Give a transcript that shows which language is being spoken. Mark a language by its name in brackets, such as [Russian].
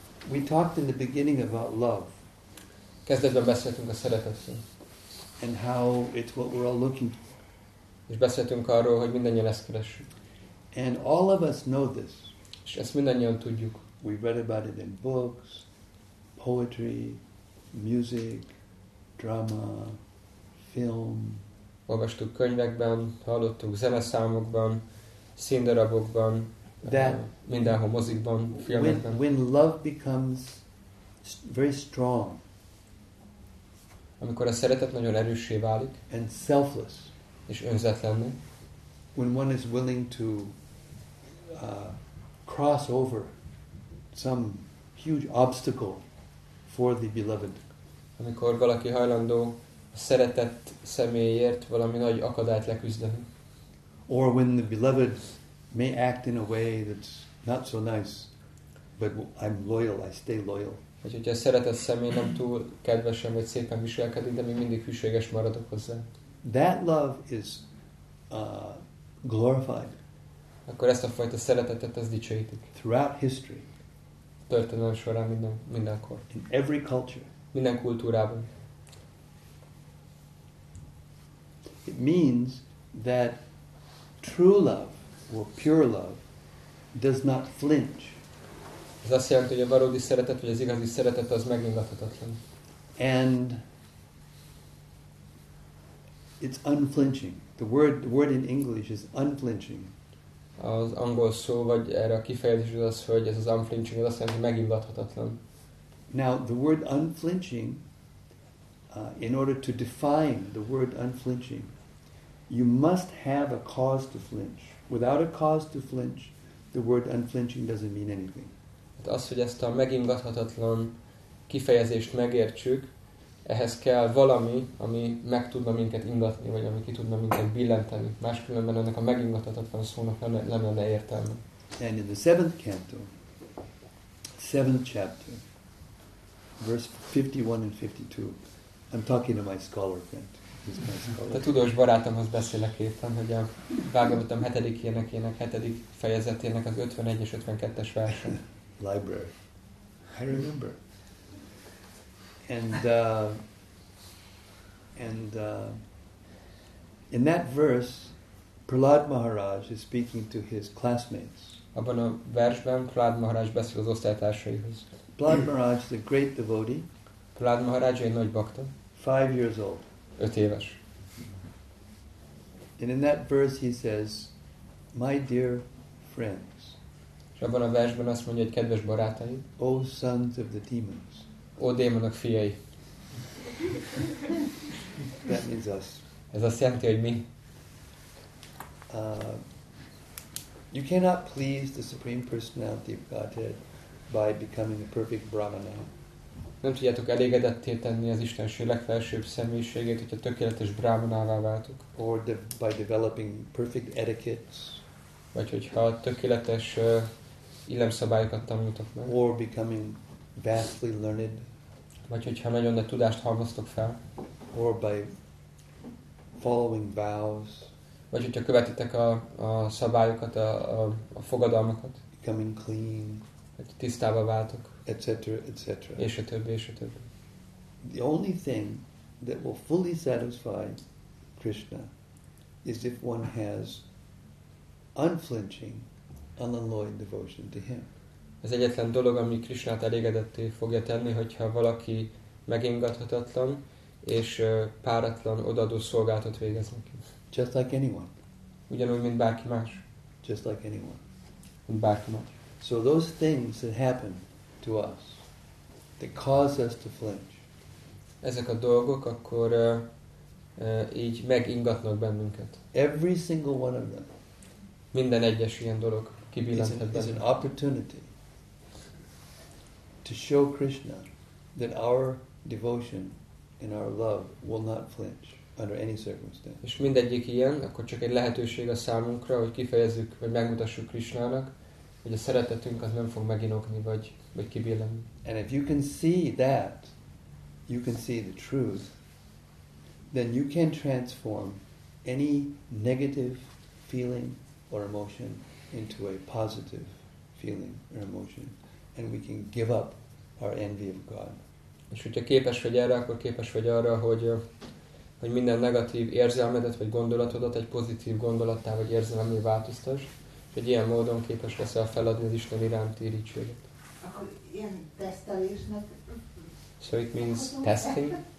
[English] We talked in the beginning about love. [Hungarian] Kezdetben beszéltünk a szeretetről. [English] And how it's what we're all looking for. [Hungarian] És beszéltünk arról, hogy mindannyian ezt keressük. [English] And all of us know this. [Hungarian] És ezt mindannyian tudjuk. [English] We read about it in books, poetry, music, drama, film. [Hungarian] Olvastuk könyvekben, hallottuk zeneszámokban, színdarabokban, mindenhol mozikban, filmekben. [English] When love becomes very strong, [Hungarian] amikor a szeretet nagyon erőssé válik, [English] and selfless, [Hungarian] és önzetlenné, [English] when one is willing to cross over some huge obstacle for the beloved. [Hungarian] Amikor valaki hajlandó a szeretett személyért valami nagy akadályt leküzdeni. [English] Or when the beloved may act in a way that's not so nice, but I'm loyal, I stay loyal. [Hungarian] Vagy hogyha a szeretett személy nem túl kedvesen vagy szépen viselkedik, de még mindig hűséges maradok hozzá. [English] That love is glorified. [Hungarian] Akkor ezt a fajta szeretetet, ezt dicsőítik. [English] Throughout history. [Hungarian] Történelem során mindenkor. [English] In every culture. [Hungarian] Minden kultúrában. [English] It means that true love or pure love does not flinch. [Hungarian] Ez azt jelenti, hogy a valódi szeretet vagy az igazi szeretet az megingathatatlan. [English] And it's unflinching. The word in English is unflinching. [Hungarian] Az angol szó vagy erre a kifejezés az, hogy ez az unflinching, ez azt jelenti, hogy megingathatatlan. [English] Now the word unflinching, in order to define the word unflinching, you must have a cause to flinch. Without a cause to flinch, the word unflinching doesn't mean anything. [Hungarian] Hát az, hogy ezt a megingathatatlan kifejezést megértsük, ehhez kell valami, ami meg tudna minket ingatni, vagy ami ki tudna minket billenteni. Máskülönben ennek a megingathatatlan szónak nem lenne értelme. [English] And in the seventh canto, seventh chapter, verse 51 and 52, I'm talking to my scholar friend. [Hungarian] A tudós barátomhoz beszélek éppen, hogy a Bhagavatam 7. énekének 7. fejezetének az 51 és 52-es verse. [English] Library. I remember. And in that verse, Prahlad Maharaj is speaking to his classmates. [Hungarian] Abban a versben Prahlad Maharaj beszél az osztálytársaihoz. [English] Prahlad Maharaj is a great devotee. [Hungarian] Prahlad Maharaj egy nagy bakta. [English] 5 years old. [Hungarian] 5 éves. [English] And in that verse he says, "My dear friends." [Hungarian] És abban a versben azt mondja, hogy kedves barátaim. [English] O sons of the demons. [Hungarian] O démonok fiai. [English] That means us. [Hungarian] Ez azt jelenti, hogy mi. [English] You cannot please the Supreme Personality of Godhead by becoming a perfect brahmana. [Hungarian] Nem tudjátok elégedetté tenni az Istenség legfelsőbb személyiségét, hogyha tökéletes brahmanává váltok. [English] Or by developing perfect etiquettes. [Hungarian] Vagy hogyha tökéletes illemszabályokat tanultok meg. [English] Or becoming vastly learned. [Hungarian] Vagy hogyha nagyon nagy tudást halmoztok fel. [English] Or by following vows. [Hungarian] Vagy hogyha követitek a szabályokat, a fogadalmakat. [English] Becoming clean. [Hungarian] Hogy tisztába váltok. [English] Etc. Etc. [Hungarian] És a többi, és a többi. [English] The only thing that will fully satisfy Krishna is if one has unflinching, unalloyed devotion to Him. [Hungarian] Ez egyetlen dolog, ami Krishnát elégedetté fogja tenni, hogyha valaki megingathatatlan és páratlan odaadó szolgálatot végez neki. [English] Just like anyone. [Hungarian] Ugyanúgy, mint bárki más. [English] Just like anyone. [Hungarian] Mint bárki más. [English] So those things that happen to us, that cause us to flinch. [Hungarian] Ezek a dolgok akkor így megingatnak bennünket. [English] Every single one of them. [Hungarian] Minden egyes ilyen dolog kibillenthet bennünket. [English] Is an opportunity to show Krishna that our devotion and our love will not flinch under any circumstance. [Hungarian] És mindegyik ilyen, akkor csak egy lehetőség a számunkra, hogy kifejezzük, vagy megmutassuk Krishnának, hogy a szeretetünk az nem fog meginogni, vagy kibillenni. [English] And if you can see that, you can see the truth, then you can transform any negative feeling or emotion into a positive feeling or emotion, and we can give up our envy of God. [Hungarian] És hogyha képes vagy erre, akkor képes vagy arra, hogy minden negatív érzelmedet vagy gondolatodat egy pozitív gondolattá vagy érzelemmé változtass, és hogy ilyen módon képes leszel feladni az Isten iránti irítséget. Akkor ilyen tesztelésnek... [English] So it means testing?